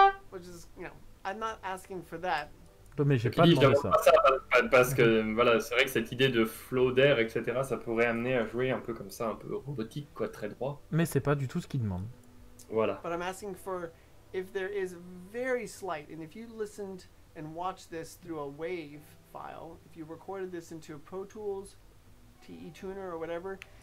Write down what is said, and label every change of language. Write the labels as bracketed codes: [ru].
[en] Which is, you know, I'm not asking for that. [fr] Mais j'ai pas demandé ça. Parce que voilà, c'est vrai que cette idée de flow d'air, etc., ça pourrait amener à jouer un peu comme ça, un peu robotique, quoi, très droit. Mais c'est pas du tout ce qu'il demande. Voilà. [en] But I'm asking for if there is very slight, and if you listened and watched this through a wave file, if you recorded this into Pro Tools, TE Tuner or whatever.